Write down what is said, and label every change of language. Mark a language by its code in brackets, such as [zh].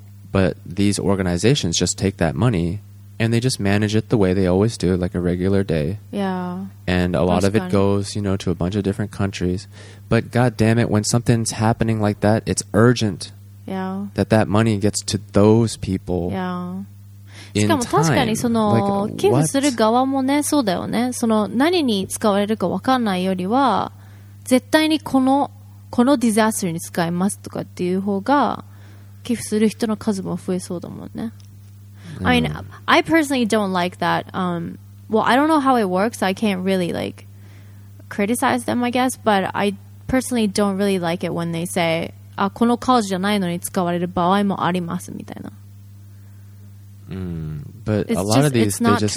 [en] But these organizations just take that money and they just manage it the way they always do, like a regular day. Yeah. And a lot of it goes, you know, to a bunch of different countries. But God damn it, when something's happening like that, it's urgent that money gets to those people in time. [ja] しかも確かにその、like, 寄付する側もね、そうだよね。その何に使われるか分かんないよりは、絶対にこのディザスターに使いますとかっていう方が、寄付する人の数も増えそうだもんね。 [en] I mean, I personally don't like that. Well, I don't know how it works. I can't really, like, criticize them, I guess. But I... personally don't really like it when they say ah, [ja] このカードじゃないのに使われる場合もありますみたいな。 [en] But it's a lot of these, they just